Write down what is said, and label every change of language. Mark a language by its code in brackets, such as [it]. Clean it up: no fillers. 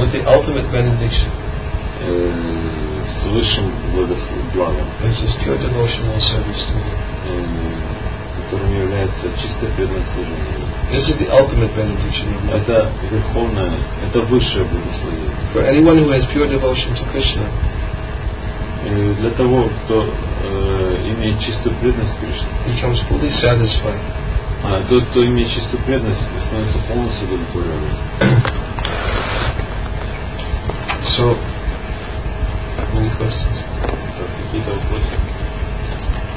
[en] With the ultimate benediction. [ru] С высшим благословением. [en] Which is pure devotional service to him. [ru] Которым является чистое преданное служение. [en] This is the ultimate benediction. [ru] Это верховное, это высшее благословение. [en] For anyone who has pure devotion to Krishna. [ru] Для того, кто имеет чистую преданность Кришне. [en] Becomes fully satisfied. [ru] А тот, кто имеет чистую преданность, становится полностью удовлетворенным. [en] So, any questions? [ru] Какие-то вопросы?